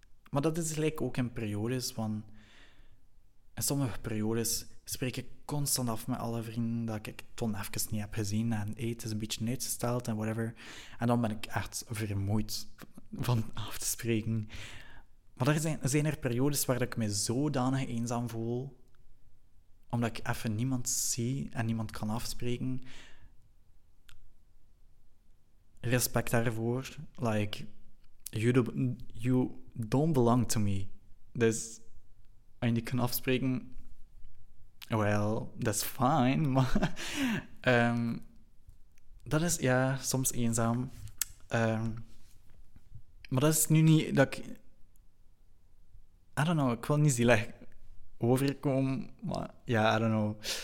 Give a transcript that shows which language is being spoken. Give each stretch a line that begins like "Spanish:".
Dutch: Maar dat is gelijk ook in periodes, want in sommige periodes spreek ik constant af met alle vrienden dat ik toen even niet heb gezien en het is een beetje uitgesteld en whatever. En dan ben ik echt vermoeid van af te spreken. Maar er zijn er periodes waar ik me zodanig eenzaam voel, omdat ik even niemand zie en niemand kan afspreken. Respect daarvoor.
English: Like, you don't belong to me.
Dutch: Dus, als je niet kan afspreken,
English: well, that's fine.
Dutch: Maar, dat is, ja, soms eenzaam. Maar dat is nu niet dat ik
English: I don't know,
Dutch: ik wil niet zielig overkomen, maar ja,
English: I don't know.